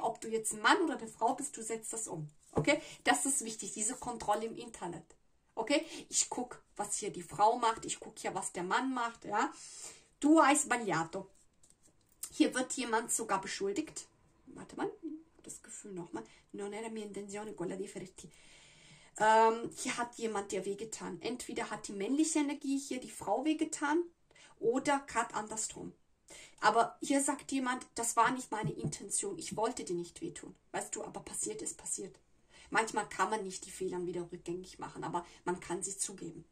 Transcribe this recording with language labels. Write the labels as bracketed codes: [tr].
[de] Ob du jetzt ein Mann oder eine Frau bist, du setzt das um. Okay? Das ist wichtig, diese Kontrolle im Internet. Okay? Ich gucke, was hier die Frau macht. Ich gucke hier, was der Mann macht. Ja? [it] Tu hai sbagliato. [de] Hier wird jemand sogar beschuldigt. Warte mal, das Gefühl nochmal. [it] Non era mia intenzione quella di ferirti. [de] Hier hat jemand dir wehgetan. Entweder hat die männliche Energie hier die Frau wehgetan oder gerade andersrum. Aber hier sagt jemand, das war nicht meine Intention. Ich wollte dir nicht wehtun. Weißt du, aber passiert ist passiert. Manchmal kann man nicht die Fehler wieder rückgängig machen, aber man kann sie zugeben.